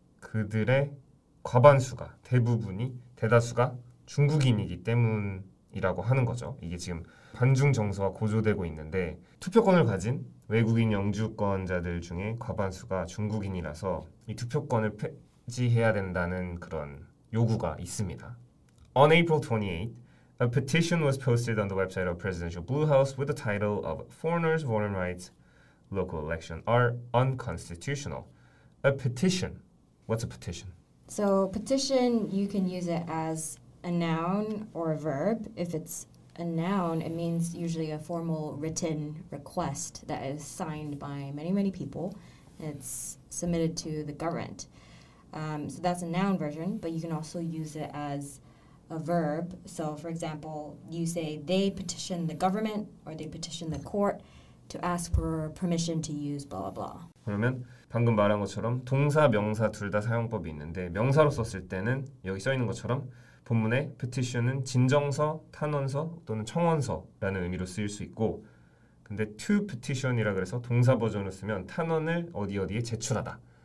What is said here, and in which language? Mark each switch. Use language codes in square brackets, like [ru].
[ko] 그들의 과반수가, 대부분이, 대다수가 중국인이기 때문이라고 하는 거죠. 이게 지금 반중 정서가 고조되고 있는데 투표권을 가진 외국인 영주권자들 중에 과반수가 중국인이라서 이 투표권을 폐지해야 된다는 그런 요구가 있습니다. [en] On April 28th, a petition was posted on the website of Presidential Blue House with the title of Foreigners Voting Rights Local Election are Unconstitutional. A petition. What's a petition? So petition, you can use it as a noun or a verb. If it's a noun, it means usually a formal written request that is signed by many, many people. It's submitted to the government. So that's a noun version, but you can also use it as a verb. So for example, you say they petition the government or they petition the court to ask for permission to use blah, blah, blah. [ko] 그러면 방금 말한 것처럼 동사, 명사 둘 다 사용법이 있는데 명사로 썼을 때는 여기 써 있는 것처럼 본문의 petition은 진정서, 탄원서 또는 청원서라는 의미로 쓰일 수 있고 근데 to petition이라 그래서 동사 버전으로 쓰면 탄원을 어디 어디에 제출하다.